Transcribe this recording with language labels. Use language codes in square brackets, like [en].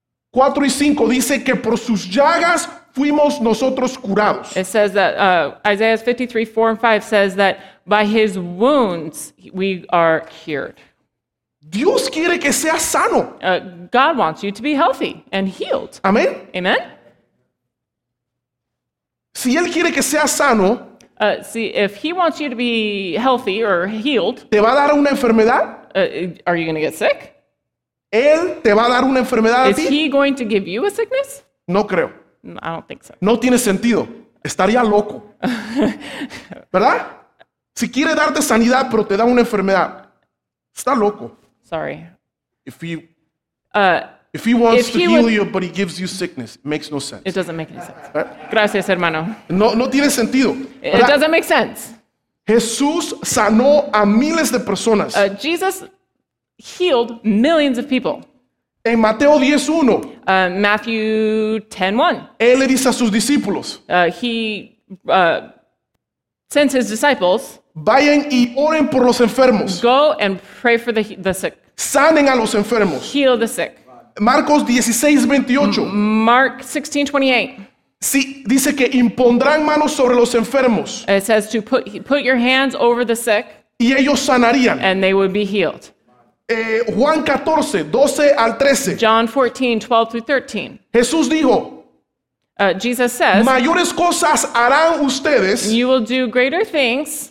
[es] 4 y 5 dice que por sus llagas fuimos nosotros curados. [en] It says that Isaiah 53, 4 and 5 says that by his wounds we are cured. [es] Dios quiere que seas sano. [en] God wants you to be healthy and healed. [es] Amén. [en] Amen. [es] Si él quiere que seas sano, [en] if he wants you to be healthy or healed, [es] ¿te va a dar una enfermedad? [en] Are you going to get sick? [es] ¿Él te va a dar una enfermedad a ti? [en] Is he going to give you a sickness? [es] No creo. [en] I don't think so. [es] No tiene sentido. Estaría loco. ¿Verdad? Si quiere darte sanidad, pero te da una enfermedad, está loco. [en] Sorry. If he wants to heal you, but he gives you sickness, it makes no sense. It doesn't make any sense. [es] Gracias, hermano. No tiene sentido. [en] It doesn't make sense. [es] Jesús sanó a miles de personas. [en] Jesus healed millions of people. [es] En Mateo 10:1. [en] Matthew 10:1. [es] Él le dice a sus discípulos. [en] He sends his disciples. [es] Vayan y oren por los enfermos. [en] Go and pray for the sick. [es] Sanen a los enfermos. [en] Heal the sick. [es] Marcos 16:28. [en] Mark 16:28. [es] Sí, dice que impondrán manos sobre los enfermos. [en] It says to put your hands over the sick. [es] Y ellos sanarían. [en] And they would be healed. [es] Juan 14:12-13. [en] John 14:12-13. [es] Jesús dijo. [en] Jesus says, [es] mayores cosas harán ustedes. [en] You will do greater things.